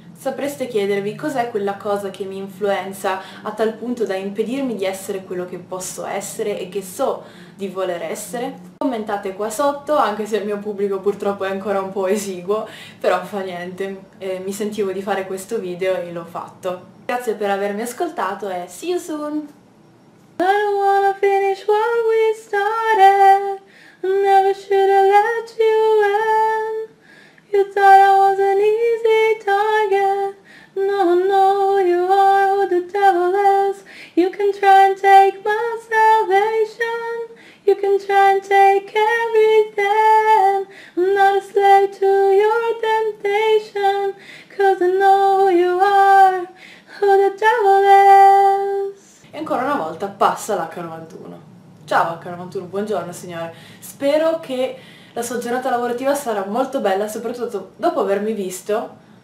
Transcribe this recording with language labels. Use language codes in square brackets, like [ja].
[it] Sapreste chiedervi cos'è quella cosa che mi influenza a tal punto da impedirmi di essere quello che posso essere e che so di voler essere? Commentate qua sotto, anche se il mio pubblico purtroppo è ancora un po' esiguo, però fa niente, mi sentivo di fare questo video e l'ho fatto. Grazie per avermi ascoltato e [en] see you soon! I don't wanna finish what we started, never should have let you in. You thought I was an easy target. No, no, you are who the devil is. You can try and take my salvation. You can try and take everything. I'm not a slave to your temptation. 'Cause I know you are who the devil is. [it] E ancora una volta passa l'H91. Ciao H91, buongiorno signore. Spero che la sua giornata lavorativa sarà molto bella, soprattutto dopo avermi visto.